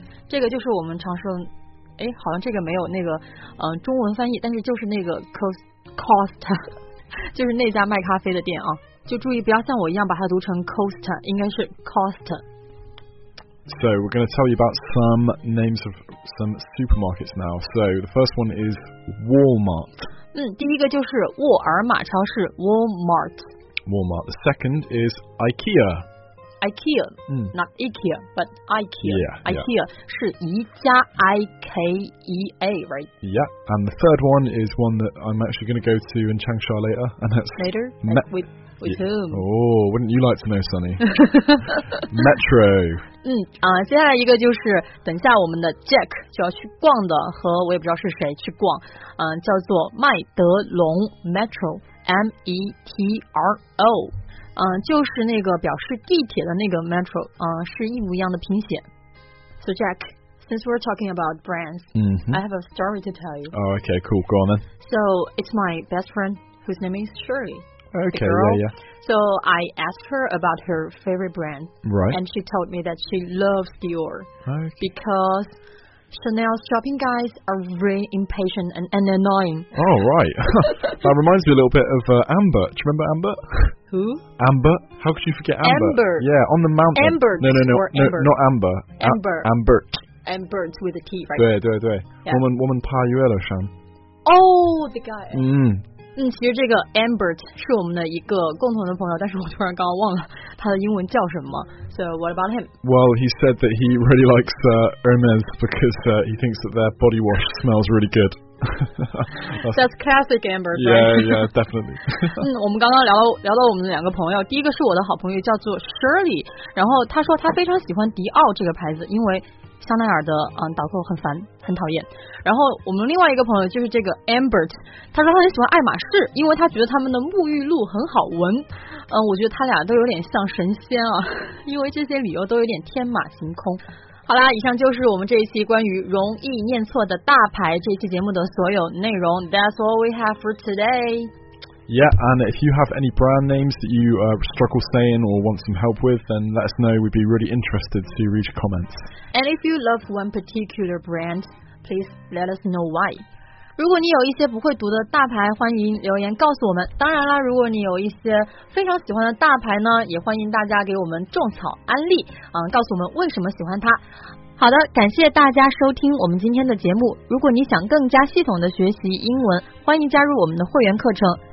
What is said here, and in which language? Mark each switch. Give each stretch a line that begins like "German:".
Chinese: 这个就是我们常说，哎，好像这个没有那个，中文翻译，但是就是那个 Costa。就是那家卖咖啡的店啊，就注意不要像我一样把它读成 Costa， 应该是 Costa。
English: So we're going to tell you about some names of some supermarkets now. So the first one is Walmart.
Chinese: 嗯，第一个就是沃尔玛超市 Walmart.
English: Walmart. The second is IKEA. IKEA. 嗯，not IKEA， but IKEA. Yeah, IKEA yeah.
Chinese: 是宜家 I K E A，
English: right? Yeah. And the third one is one that I'm actually going to go to in Changsha later, and that's later. With yeah. whom? Oh, wouldn't you like to know, Sunny? Metro.
Chinese: 嗯，接下来一个就是等一下我们的 Jack 就要去逛的，和我也不知道是谁去逛，叫做麦德龙 Metro M E T R O， 就是那个表示地铁的那个 Metro， 是一模一样的拼写。
English: So Jack, since we're talking about brands,、 mm-hmm. I have a story to tell you. Oh, okay, cool. Go on then. So it's my best friend whose name is Shirley. Okay, yeah, yeah. So I asked her about her favorite brand. Right. And she told me that she loves Dior. Okay. Because Chanel's shopping guys are really impatient and annoying. Oh, right. That reminds me a little bit of Amber. Do you remember Amber? Who? Amber. How could you forget Amber? Amber. Yeah, on the mountain. Amber. No, not Amber. Amber. Amber. Amber with a T, right?
Chinese: 对对对、
English: yeah.
Chinese: 我们怕有了山。
English: Oh, the guy. Mm.
Chinese: 其实这个 Ambert 是我们的一个共同的朋友，但是我突然刚刚忘了他的英文叫什么。
English: So what about him? Well, he said that he really likes Hermes because he thinks that their body wash smells really good. That's classic Ambert. Yeah,、 right? yeah, definitely.
Chinese: 我们刚刚聊到我们的两个朋友，第一个是我的好朋友叫做 Shirley， 然后他说他非常喜欢迪奥这个牌子，因为香奈儿的导购很烦，很讨厌。然后我们另外一个朋友就是这个 Ambert， 他说他很喜欢爱马仕，因为他觉得他们的沐浴露很好闻。我觉得他俩都有点像神仙啊，因为这些理由都有点天马行空。好啦，以上就是我们这一期关于容易念错的大牌这期节目的所有内容。
English: That's all we have for today. Yeah, and if you have any brand names that you struggle saying or want some help with, then let us know. We'd be really interested to read your comments. And if you love one particular brand, please let us know why.
Chinese: 如果你有一些不会读的大牌，欢迎留言告诉我们。当然啦，如果你有一些非常喜欢的大牌呢，也欢迎大家给我们种草安利，告诉我们为什么喜欢它。好的，感谢大家收听我们今天的节目。如果你想更加系统的学习英文，欢迎加入我们的会员课程。